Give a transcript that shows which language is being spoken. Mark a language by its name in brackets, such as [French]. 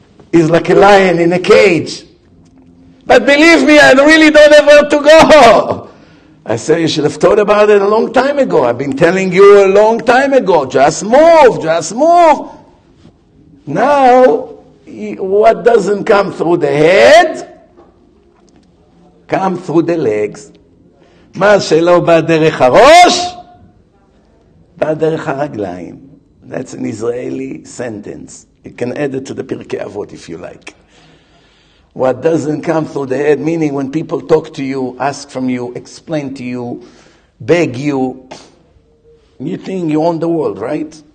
[English] He's like a lion in a cage. But believe me, I really don't have where to go. I said, you should have thought about it a long time ago. I've been telling you a long time ago, just move. Now, what doesn't come through the head, come through the legs. [Hebrew] מה שלא בא דרך הראש, בא דרך הרגליים. [English] That's an Israeli sentence. You can add it to the Pirkei Avot if you like. What doesn't come through the head, meaning when people talk to you, ask from you, explain to you, beg you, you think you own the world, right?